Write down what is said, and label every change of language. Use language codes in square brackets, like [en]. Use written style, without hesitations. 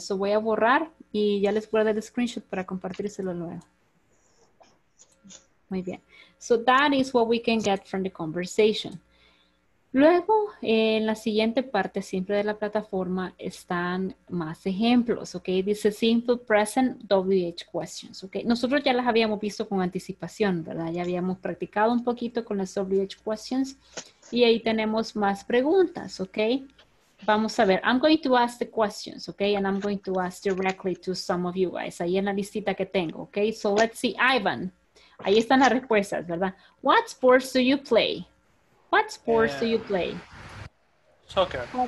[es] So voy a borrar y ya les guardo el screenshot para compartírselo luego. Muy bien. [en] So that is what we can get from the conversation. [es] Luego, en la siguiente parte siempre de la plataforma están más ejemplos, ¿ok? Dice simple present WH questions, ¿ok? Nosotros ya las habíamos visto con anticipación, ¿verdad? Ya habíamos practicado un poquito con las WH questions y ahí tenemos más preguntas, ¿ok? [en] Vamos a ver, I'm going to ask the questions, okay? And I'm going to ask directly to some of you guys, ahí en la listita que tengo, okay? [es] So let's see, Ivan. Ahí están las respuestas, ¿verdad? [en] What sports do you play? What sports do you play? Soccer.